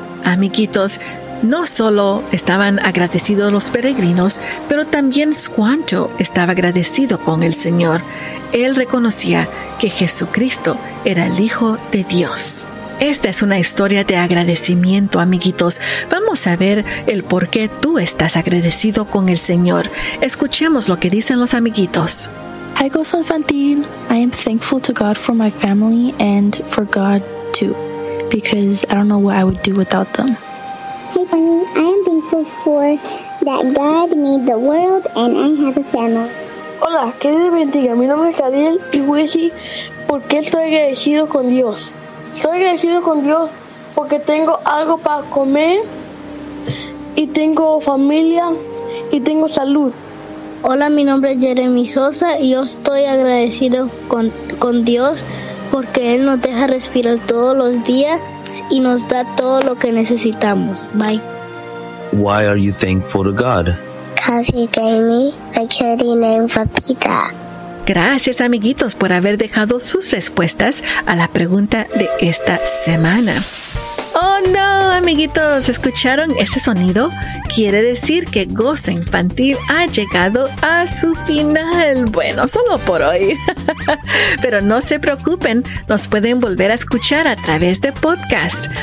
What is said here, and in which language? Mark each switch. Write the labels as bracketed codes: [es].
[es] Amiguitos, no solo estaban agradecidos los peregrinos, pero también Squanto estaba agradecido con el Señor. Él reconocía que Jesucristo era el Hijo de Dios. Esta es una historia de agradecimiento, amiguitos. Vamos a ver el por qué tú estás agradecido con el Señor. Escuchemos lo que dicen los amiguitos. [en] Hi, Gozo Infantil. I am thankful to God for my family and for God, too, because I don't know what I would do without them. Hey, Bunny. I am thankful for that God made the world and I have a family. [es] Hola, que Dios bendiga. Mi nombre es Ariel y voy a decir por qué estoy agradecido con Dios. Estoy agradecido con Dios porque tengo algo para comer y tengo familia y tengo salud. Hola, mi nombre es Jeremy Sosa y yo estoy agradecido con Dios porque Él nos deja respirar todos los días y nos da todo lo que necesitamos. [en] Bye. Why are you thankful to God? Because He gave me a kitty named Vapita. [es] Gracias, amiguitos, por haber dejado sus respuestas a la pregunta de esta semana. ¡Oh, no, amiguitos! ¿Escucharon ese sonido? Quiere decir que Gozo Infantil ha llegado a su final. Bueno, solo por hoy. Pero no se preocupen, nos pueden volver a escuchar a través de podcast.